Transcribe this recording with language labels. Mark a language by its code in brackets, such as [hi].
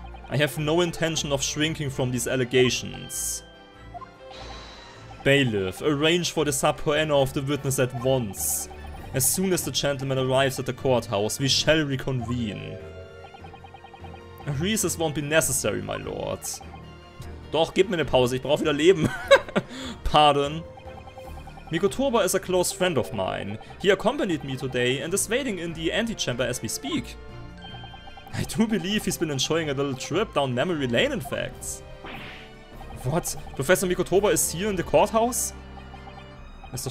[en] I have no intention of shrinking from these allegations. Bailiff, arrange for the subpoena of the witness at once. As soon as the gentleman arrives at the courthouse, we shall reconvene. A recess won't be necessary, my lord. [de] Doch, gib mir eine Pause, ich brauche wieder Leben. [en] Pardon. Mikotoba is a close friend of mine. He accompanied me today and is waiting in the antechamber as we speak. I do believe he's been enjoying a little trip down memory lane, in fact. What? Professor Mikotoba is here in the courthouse? Mr.